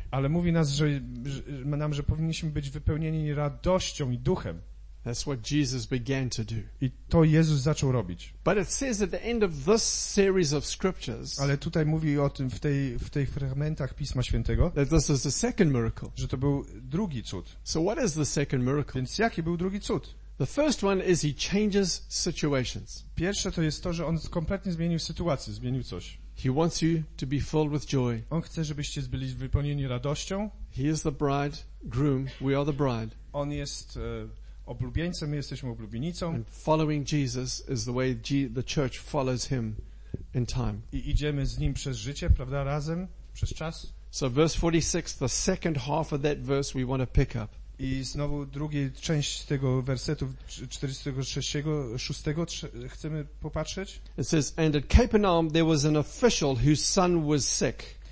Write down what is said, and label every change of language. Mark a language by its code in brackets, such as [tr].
[pl] Ale mówi nas, że powinniśmy być wypełnieni radością i duchem. [en] That's what Jesus began to do. [pl] I to Jezus zaczął robić. [en] But it says at the end of this series of scriptures. [pl] Ale tutaj mówi o tym w tej fragmentach Pisma Świętego. [en] That this is the second miracle. [pl] Że to był drugi cud. [en] So what is the second miracle? [pl] Więc jaki był drugi cud? [en] The first one is he changes situations. [pl] Pierwsze to jest to, że on kompletnie zmienił sytuację, zmienił coś. [en] He wants you to be filled with joy. [pl] On chce, żebyście byli wypełnieni radością. [en] He is the bride, groom. We are the bride. [pl] On jest oblubieńcem, my jesteśmy oblubienicą. [en] And following Jesus is the way the church follows him in time. [pl] I idziemy z nim przez życie, prawda, razem, przez czas. [en] So verse 46, the second half of that verse we want to pick up. [pl] I znowu drugą część tego wersetu 46 chcemy popatrzeć. [en] It says, and at Capernaum there was an official whose son was sick.